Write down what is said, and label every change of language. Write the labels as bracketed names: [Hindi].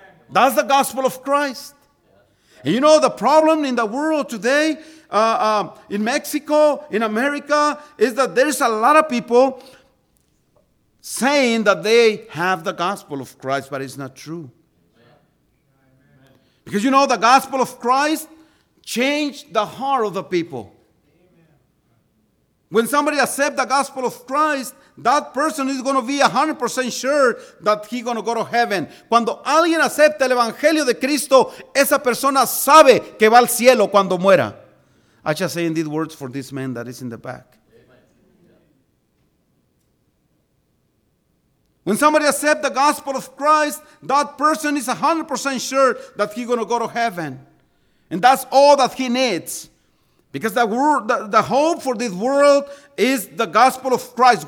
[English] That's the gospel of Christ. And you know, the problem in the world today, in Mexico, in America, is that there's a lot of people saying that they have the gospel of Christ, but it's not true. Because, you know, the gospel of Christ change the heart of the people. When somebody accepts the gospel of Christ, that person is going to be 100% sure that he's going to go to heaven. [Spanish] Cuando alguien acepta el evangelio de Cristo, esa persona sabe que va al cielo cuando muera. [English] I just saying these words for this man that is in the back. When somebody accepts the gospel of Christ, that person is 100% sure that he's going to go to heaven. And that's all that he needs. Because the hope for this world is the gospel of Christ.